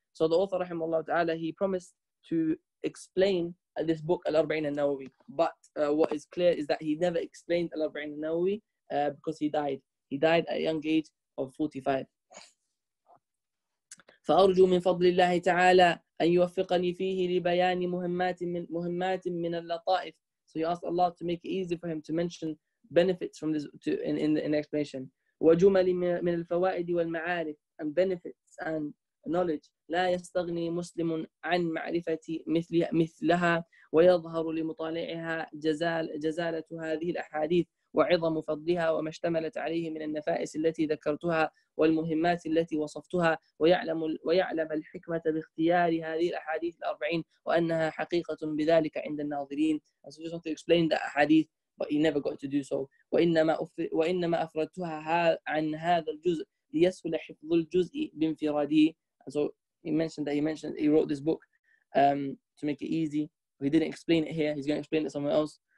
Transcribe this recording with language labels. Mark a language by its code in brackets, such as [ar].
[en] So the author rahimahullah ta'ala, he promised to explain this book Al-Arba'in al-Nawawi, but what is clear is that he never explained Al-Arba'in al-Nawawi because he died. He died at a young age of 45. [ar] فأرجو من فضل الله تعالى أن يوفقني فيه لبيان مهمات من اللطائف. [en] So he asked Allah to make it easy for him to mention benefits from this to, in explanation. [ar] وجمل من الفوائد والمعارف [en] and benefits and knowledge. [ar] لا يستغني مسلم عن معرفة مثلها ويظهر لمطالعها جزالة هذه الأحاديث وعظم فضلها وما اشتملت عليه من النفائس التي ذكرتها والمهمات التي وصفتها ويعلم الحكمة باختيار هذه الأحاديث الأربعين وأنها حقيقة بذلك عند الناظرين. [en] I just want to explain the hadith, but he never got to do so. [ar] وإنما أفردتها عن هذا الجزء ليسهل حفظ الجزء بانفراده. [en] And so he mentioned that he wrote this book to make it easy. He didn't explain it here. He's going to explain it somewhere else.